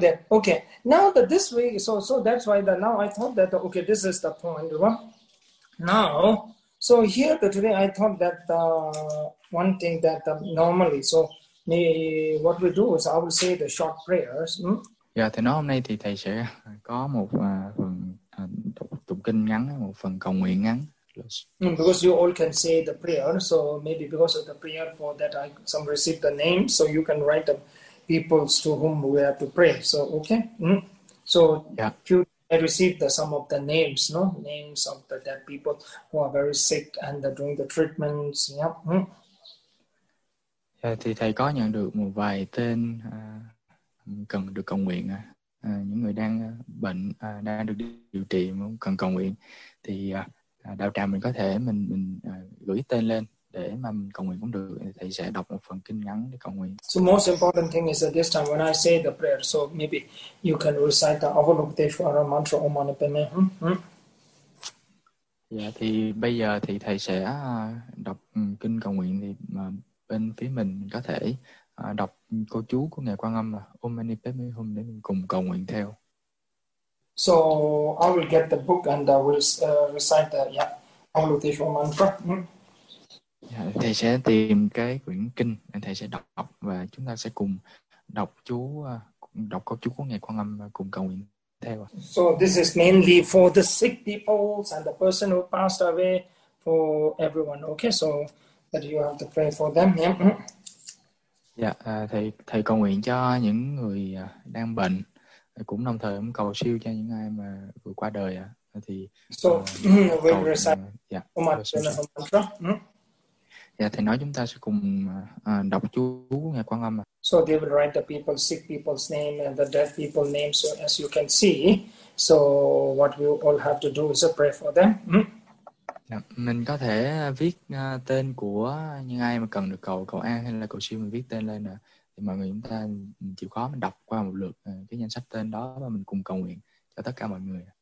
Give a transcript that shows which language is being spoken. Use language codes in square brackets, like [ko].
[en] Okay, now that this way, so that's why that now I thought that okay, this is the point. Well, now, so here today I thought that one thing that normally, so me what we do is I will say the short prayers. [vi] Dạ, thầy nói hôm nay thì thầy sẽ có một phần tụng kinh ngắn, một phần cầu nguyện ngắn. [en] Because you all can say the prayer, so maybe because of the prayer for that, I some receive the name, so you can write the people to whom we have to pray. So, okay, So [vi] Dạ. [en] you receive the some of the names, no names of the dead people who are very sick and they're doing the treatments. [vi] Dạ, thì thầy có nhận được một vài tên cần được cầu nguyện, những người đang bệnh đang được điều trị muốn cần cầu nguyện thì đạo tràng mình có thể mình gửi tên lên để mà mình cầu nguyện cũng được. Thầy sẽ đọc một phần kinh ngắn để cầu nguyện. [en] So most important thing is that this time when I say the prayer, so maybe you can recite the Avalokiteshvara mantra Om Mani Padme Hum. [vi] Dạ thì bây giờ thì thầy sẽ đọc kinh cầu nguyện thì mà bên phía mình có thể đọc câu chú của Ngài Quan Âm là Om Mani Padme Hum để mình cùng cầu nguyện theo. [en] So I will get the book and I will recite the Avalokiteshvara mantra. [vi] Thầy sẽ tìm cái quyển kinh, thầy sẽ đọc và chúng ta sẽ cùng đọc câu chú của Ngài Quan Âm và cùng cầu nguyện theo. [en] So this is mainly for the sick people and the person who passed away, for everyone. Okay, so that you have to pray for them. [vi] Dạ, thầy cầu nguyện cho những người đang bệnh, cũng đồng thời cũng cầu siêu cho những ai mà vừa qua đời ạ. Thì [en] So [vi] cầu [en] we recite [vi] dạ Om xin Dạ, thầy nói chúng ta sẽ cùng đọc chú Ngài Quan Âm ạ. [en] So they will write the people, sick people's name and the dead people name. So as you can see, so what we all have to do is pray for them. [vi] Dạ, mình có thể viết tên của những ai mà cần được cầu cầu an hay là cầu siêu, mình viết tên lên ạ. thì mọi người chúng ta chịu khó mình đọc qua một lượt cái danh sách tên đó và mình cùng cầu nguyện cho tất cả mọi người.